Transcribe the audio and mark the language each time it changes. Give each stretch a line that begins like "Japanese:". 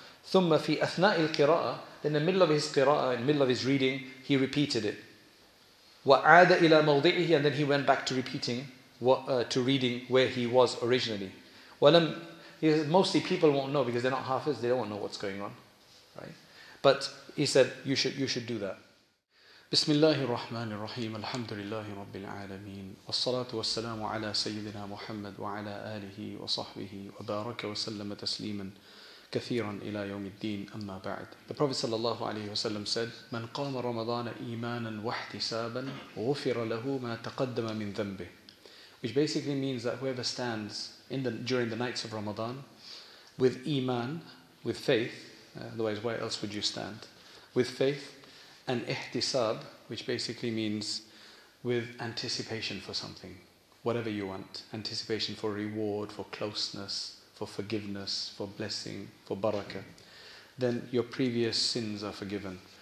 Arabic: Thumma fi athna'i al-qira'ah.
English: Then in the middle of his qira'ah, in the middle of his reading, he repeated it.
Arabic: Wa'ada ila mawdi'ihi.
English: And then he went back to repeating, to reading where he was originally. Walam, he says, mostly people won't know because they're not hafiz, they don't know what's going on. Right? But he said, you should do that.
Arabic: بسم الله الرحمن الرحيم الحمد لله رب العالمين والصلاة والسلام على سيدنا محمد وعلى آله وصحبه وبارك وسلم تسليما كثيرا إلى يوم الدين أما بعد.
English: The Prophet
Arabic: صلى الله عليه وسلم
English: said,
Arabic: من قام رمضان إيمانا واحتسابا غفر له ما تقدم من ذنبه.
English: Which basically means that whoever stands during the nights of Ramadan with iman, with faith, otherwise why else would you stand, with faith, an ihtisab, which basically means with anticipation for something, whatever you want, anticipation for reward, for closeness, for forgiveness, for blessing, for barakah, then your previous sins are forgiven.